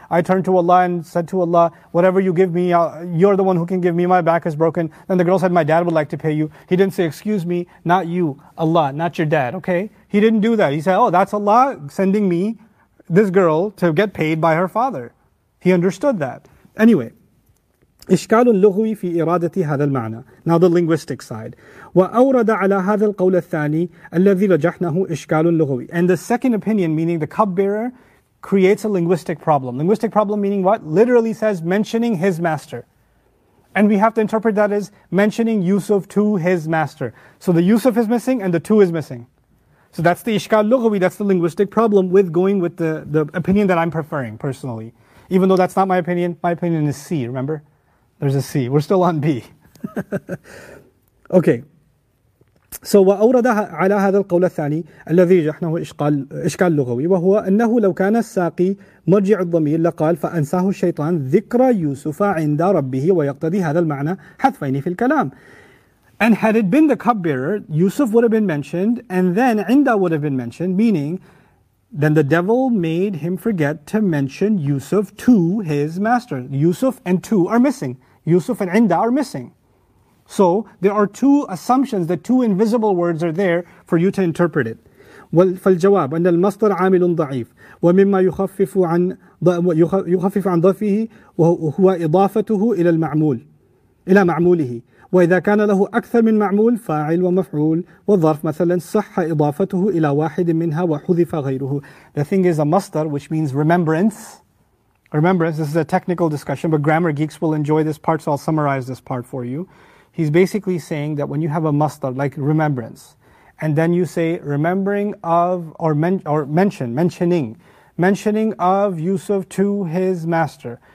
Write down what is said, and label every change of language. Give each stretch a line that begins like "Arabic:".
English: I turned to Allah and said to Allah, whatever you give me, you're the one who can give me, my back is broken. Then the girl said, my dad would like to pay you. He didn't say, excuse me, not you, Allah, not your dad, okay? He didn't do that. He said, oh, that's Allah sending me, this girl, to get paid by her father. He understood that. Anyway.
Arabic: إشكال لغوي في إرادة هذا المعنى.
English: Now the linguistic side.
Arabic: وأورد على هذا القول الثاني الذي رجحناه إشكال لغوي.
English: And the second opinion, meaning the cupbearer, creates a linguistic problem. Linguistic problem meaning what? Literally says mentioning his master. And we have to interpret that as mentioning Yusuf to his master. So the Yusuf is missing and the two is missing. So that's the إشكال لغوي, that's the linguistic problem with going with the opinion that I'm preferring personally. Even though that's not my opinion, my opinion is C, remember? There's a C. We're still on B. Okay.
Arabic: So وأورد على هذا القول الثاني الذي جحنه إشكال لغوي وهو أنه لو كان الساقي مرجع الضمير لقال فأنساه الشيطان ذكر يوسف عند ربه ويقتضي هذا المعنى حذفين في الكلام.
English: And had it been the cupbearer, Yusuf would have been mentioned, and then عند would have been mentioned, meaning then the devil made him forget to mention Yusuf to his master. Yusuf and two are missing. Yusuf and Inda are missing. So there are two assumptions, the two invisible words are there for you to interpret it.
Arabic: Well, فالجواب أن المصدر عامل ضعيف ومما يخفف عن ضعفه هو إضافته إلى المعمول إلى معموله وإذا كان له أكثر من معمول فاعل ومفعول والظرف مثلا صح إضافته إلى واحد منها وحذف غيره.
English: The thing is a masdar, which means remembrance. Remembrance, this is a technical discussion, but grammar geeks will enjoy this part, so I'll summarize this part for you. He's basically saying that when you have a masdar, like remembrance, and then you say remembering of, mentioning of Yusuf to his master.